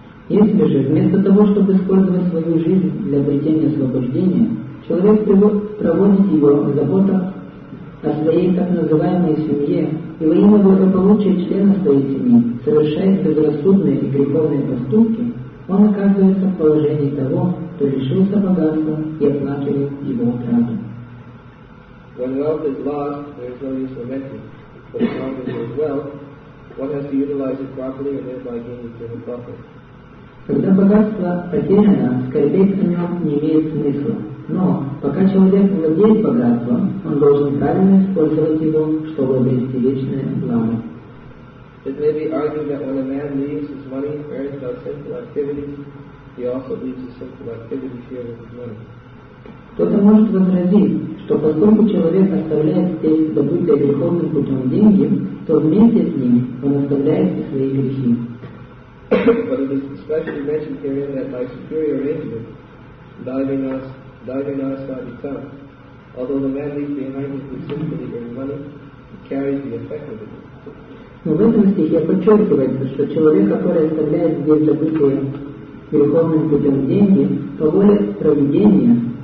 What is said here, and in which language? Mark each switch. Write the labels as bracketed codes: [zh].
[ru] Если же вместо того, чтобы использовать свою жизнь для обретения освобождения, человек проводит его в заботах о своей так называемой семье и во имя благополучия члена своей семьи совершает безрассудные и греховные поступки, он оказывается в положении того, кто лишился богатства и оплакивает его утрату. [en] When wealth is lost, there is no use lamenting. But as long as there is wealth, one has to utilize it properly and thereby gain eternal profit. [ru] Когда богатство потеряно, скорбеть о нем не имеет смысла. Но пока человек владеет богатством, он должен правильно использовать его, чтобы обрести вечное благо. [en] It may be argued that when a man leaves his money earned by sinful activities, he also leaves his sinful activities here with his money. [ru] Кто-то может возразить, что поскольку человек оставляет здесь добытые греховным путем деньги, то вместе с ним он оставляет и свои грехи. [en] But it is especially mentioned herein that by superior arrangement, Dharinasa Dharinasa Dikam, although the man leaves behind his sinfully earned money, he carries the effect of it. [ru] Но в этом стихе подчеркивается, что человек, который оставляет здесь добытые греховным путем деньги, по воле проведения,